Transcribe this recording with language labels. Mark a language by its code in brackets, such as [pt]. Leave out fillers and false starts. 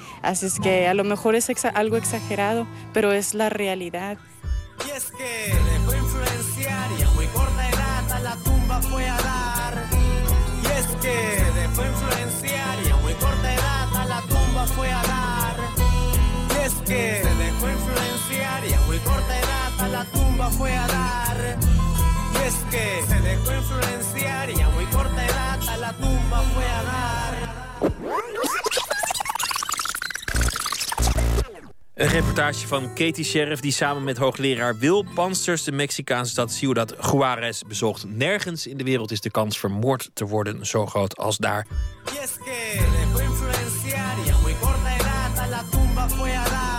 [es] Así es que a lo mejor es algo exagerado, pero es la realidad. Y es que dejó influenciar y a muy corta edad a la tumba fue a dar. Y es que dejó influenciar y a muy corta edad a la tumba fue a dar. Y es que dejó influenciar y a muy corta edad a la tumba fue a dar. Es que se dejó influenciar y a muy corta edad a la tumba fue a dar. [nl] Een reportage van Katie Sheriff die samen met hoogleraar Will Pansters de Mexicaanse stad Ciudad Juárez bezocht. Nergens in de wereld is de kans vermoord te worden zo groot als daar. [es] Yes, que dejó influenciar y a muy corta edad a la tumba fue a dar.